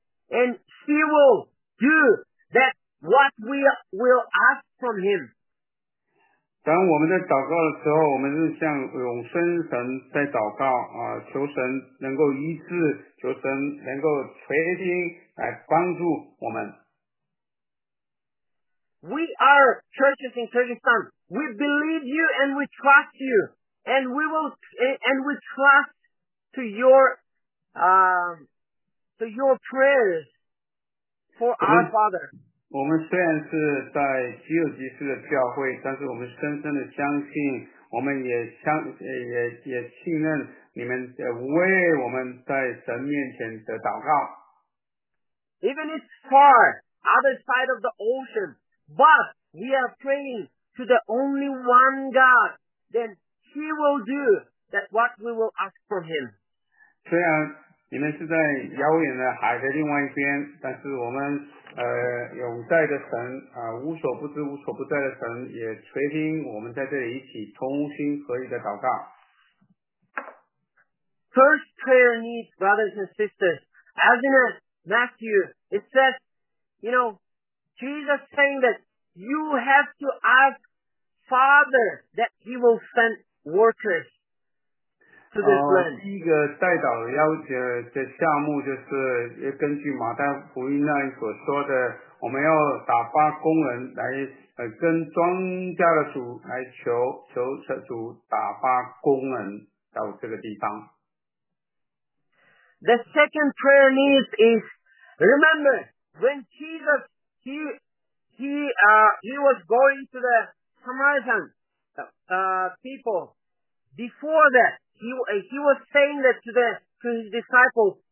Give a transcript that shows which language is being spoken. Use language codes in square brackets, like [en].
[en] And he will do that what we will ask from him. [zh] 当我们在祷告的时候，我们是向永生神在祷告求神能够医治，求神能够垂听来帮助我们。 [en] We are churches in Kyrgyzstan. We believe you and we trust you, and we will and we trust to your. So your prayers for our Father. [zh] 我们虽然是在吉尔吉斯的教会，但是我们深深的相信，我们也信任你们为我们在神面前的祷告。 [en] Even it's far, other side of the ocean, but we are praying to the only one God, then He will do that what we will ask for Him. [zh] 虽然你们是在遥远的海的另外一边，但是我们永在的神无所不知无所不在的神也垂听我们在这里一起同心合意的祷告。 [en] First prayer needs, brothers and sisters, as in Matthew, it says, you know, Jesus saying that you have to ask Father that He will send workers. [zh] 第一个代祷的要求的项目就是根据马太福音那里所说的，我们要打发工人来跟庄稼的主来求主打发工人到这个地方。 [en] The second prayer needs is remember when Jesus he was going to the Samaritan people before that. He was saying that to his disciples,